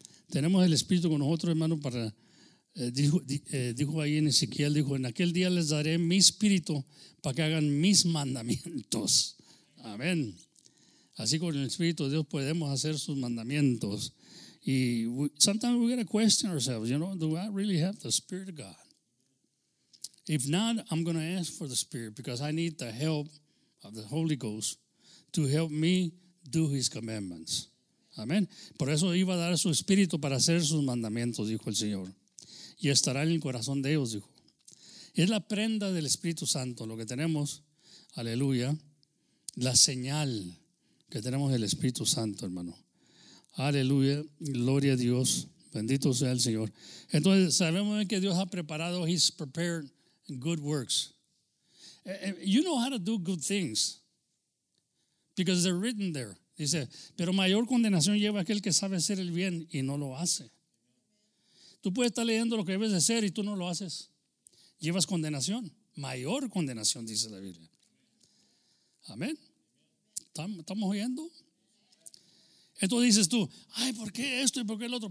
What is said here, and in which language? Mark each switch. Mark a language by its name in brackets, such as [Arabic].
[Spanish] Tenemos el Espíritu con nosotros, hermano, para, dijo ahí en Ezequiel, dijo, en aquel día les daré mi Espíritu para que hagan mis mandamientos. Amén. Así con el Espíritu de Dios podemos hacer sus mandamientos. [English] Y sometimes we gotta question ourselves, you know, do I really have the Spirit of God? If not, I'm going to ask for the Spirit because I need the help of the Holy Ghost to help me do His commandments. [Spanish] Amén. Por eso iba a dar su Espíritu para hacer sus mandamientos, dijo el Señor. Y estará en el corazón de ellos, dijo. Es la prenda del Espíritu Santo lo que tenemos. Aleluya. La señal que tenemos del Espíritu Santo, hermano. Aleluya. Gloria a Dios. Bendito sea el Señor. Entonces, sabemos que Dios ha preparado, [English] He's prepared good works. You know how to do good things because they're written there. [Spanish] Dice, pero mayor condenación lleva aquel que sabe hacer el bien y no lo hace. Tú puedes estar leyendo lo que debes de hacer y tú no lo haces. Llevas condenación, mayor condenación, dice la Biblia. Amén. ¿Estamos oyendo? Entonces dices tú, ay, ¿por qué esto y por qué el otro?